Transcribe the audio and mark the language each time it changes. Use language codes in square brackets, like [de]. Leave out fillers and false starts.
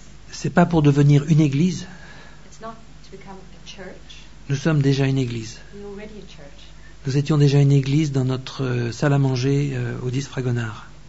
[fr] C'est pas pour devenir une église. [en] It's not to become a church. [fr] Nous sommes déjà une église. [en] We're already a church. [fr] Nous étions déjà une église dans notre salle à manger au 10 Fragonard.